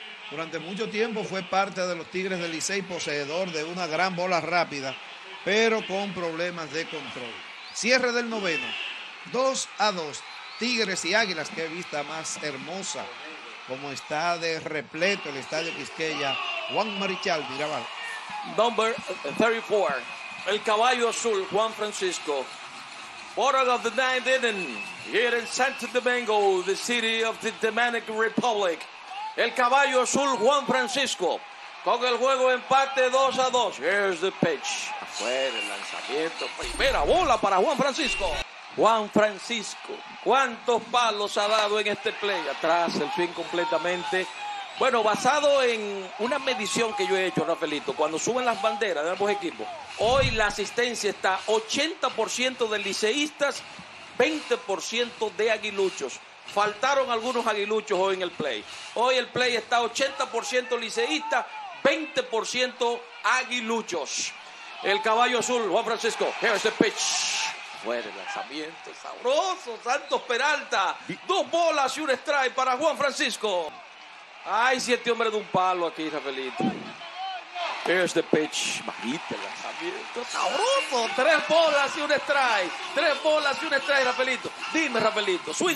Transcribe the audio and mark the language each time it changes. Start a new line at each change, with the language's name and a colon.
Spanish: Durante mucho tiempo fue parte de los Tigres del Licey, poseedor de una gran bola rápida, pero con problemas de control. Cierre del noveno, 2-2, Tigres y Águilas, qué vista más hermosa, como está de repleto el estadio Quisqueya, Juan Marichal Mirabal.
English: Number 34,
Spanish: el caballo azul,
English: Juan Francisco. Bottom of the ninth inning, here in Santo Domingo, the city of the Dominican Republic.
Spanish: El caballo azul, Juan Francisco, con el juego empate 2-2.
English: Here's the pitch.
Spanish: Afuera, el lanzamiento, primera bola para Juan Francisco. Juan Francisco, ¿cuántos palos ha dado en este play? Atrás, el fin completamente. Bueno, basado en una medición que yo he hecho, Rafaelito, cuando suben las banderas de ambos equipos, hoy la asistencia está 80% de liceístas, 20% de aguiluchos. Faltaron algunos aguiluchos hoy en el play. Hoy el play está 80% liceístas, 20% aguiluchos. El caballo azul, Juan Francisco,
English: here's the pitch.
Spanish: Fuera el lanzamiento, sabroso, Santos Peralta. Dos bolas y un strike para Juan Francisco. Ay, siete hombres de un palo aquí, Rafaelito.
English: Here's the pitch.
Spanish: Bajito el lanzamiento. ¡Sabroso! Tres bolas y un strike. Tres bolas y un strike, Rafaelito. Dime, Rafaelito. Swing